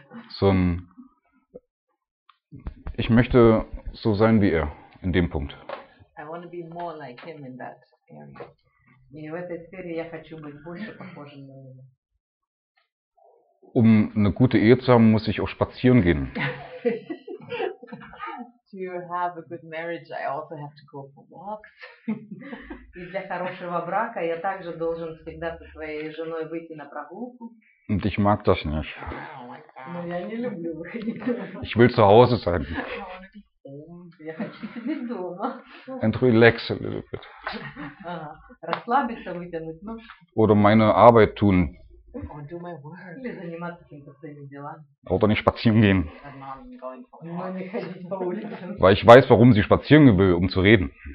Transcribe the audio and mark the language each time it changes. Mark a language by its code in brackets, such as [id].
[de] So ein, ich möchte so sein wie er in dem Punkt. [en] I want to be more like him in that area. In [ru] этой сфере я хочу быть больше похожим на него. [de] Um eine gute Ehe zu haben, muss ich auch spazieren gehen. [en] To have a good marriage, I also have to go for walks. [ru] И для хорошего брака я также должен всегда со своей женой выйти на прогулку. [de] Und ich mag das nicht. [ru] Но я не люблю выходить. [de] Ich will zu Hause sein. [ru] Я хочу сидеть дома. [en] And relax a little bit. [ru] Расслабиться, вытянуть ножки. [de] Oder meine Arbeit tun. [en] Or do my work. [ru] Или заниматься какими-то своими делами. [de] Oder nicht spazieren gehen. [ru] Но не ходить по улицам. [de] Weil ich weiß, warum sie spazieren will, um zu reden.